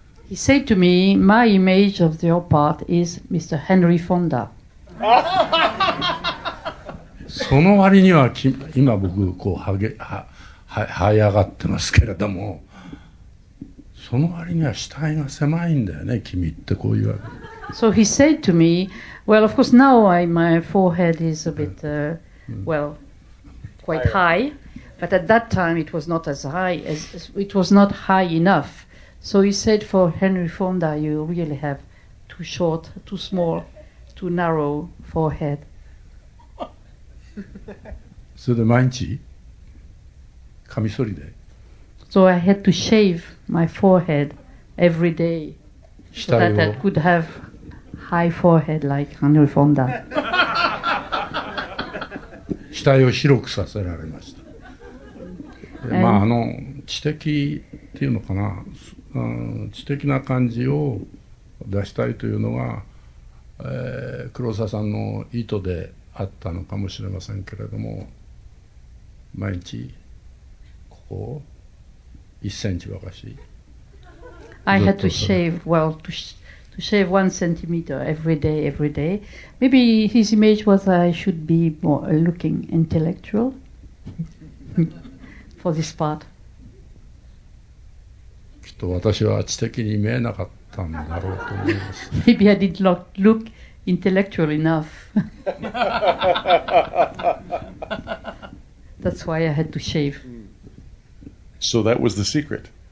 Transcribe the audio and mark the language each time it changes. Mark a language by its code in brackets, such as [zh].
[en] He said to me, my image of your part is Mr. Henry Fonda. [ja] その割には今僕こうはい上がってますけれども、その割には死体が狭いんだよね君ってこう言われる。 [en] So he said to me, well of course now my forehead is a bit, well, quite high, but at that time it was not as high, as it was not high enoughSo he said, for Henry Fonda, you really have too short, too small, too narrow forehead. [ja] それで毎日カミソリで。 [en] So I had to shave my forehead every day, so that I could have high forehead like Henry Fonda. [ja] 額を白くさせられました。まあ知的っていうのかな。知的な感じを出したいというのが、黒澤さんの意図であったのかもしれませんけれども、毎日ここを1センチばかし、 [en] I had to shave, well, to shave 1 centimeter every day. Maybe his image was I should be more looking intellectual for this part. [ja] 私は知的に見えなかったんだろうと思います。 [en] Maybe I did not look intellectual enough. That's why I had to shave. So that was the secret.